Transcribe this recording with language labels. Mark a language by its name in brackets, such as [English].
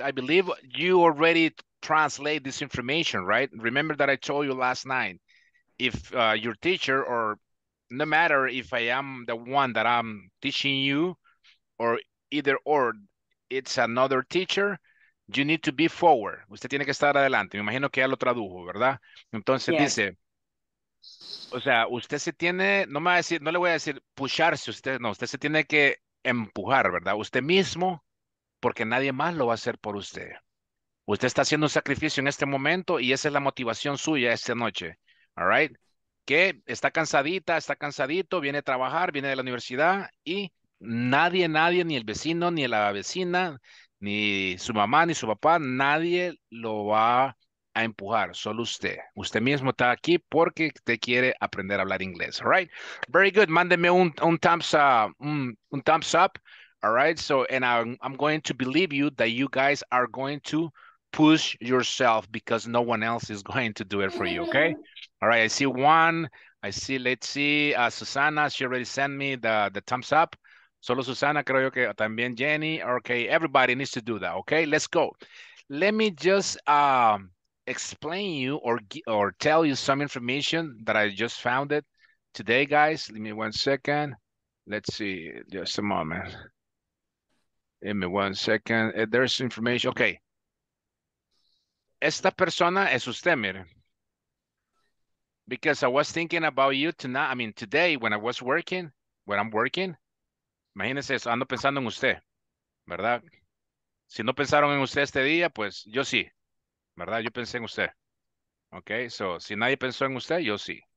[English] I believe you already translate this information, right? Remember that I told you last night. If your teacher, or no matter if I am the one that I'm teaching you, or either or, it's another teacher, you need to be forward. [Spanish] Usted tiene que estar adelante. Me imagino que ya lo tradujo, ¿verdad? Entonces yes. Dice, o sea, usted se tiene, no me va a decir, no le voy a decir pusharse usted, no, usted se tiene que empujar, ¿verdad? Usted mismo, porque nadie más lo va a hacer por usted. Usted está haciendo un sacrificio en este momento y esa es la motivación suya esta noche. All right, que está cansadita, está cansadito, viene a trabajar, viene de la universidad y nadie, ni el vecino, ni la vecina, ni su mamá, ni su papá, nadie lo va a empujar, solo usted. Usted mismo está aquí porque usted quiere aprender a hablar inglés. [English] All right, very good. [Spanish] Mándeme un [English] thumbs up. All right, so and I'm going to believe you that you guys are going to push yourself because no one else is going to do it for you, okay? All right, I see one. I see, let's see, Susana, she already sent me the thumbs up. [Spanish] Solo Susana, creo yo que también Jenny. [English] Okay, everybody needs to do that, okay? Let's go. Let me just explain you or tell you some information that I just found it today, guys. Give me 1 second. Let's see, just a moment. Give me 1 second. There's information, okay. [Spanish] Esta persona es usted, mire. [English] Because I was thinking about you tonight, I mean, today, when I was working, when I'm working, [Spanish] imagínese eso, ando pensando en usted, ¿verdad? Si no pensaron en usted este día, pues yo sí, ¿verdad? Yo pensé en usted. Okay, so, si nadie pensó en usted, yo sí.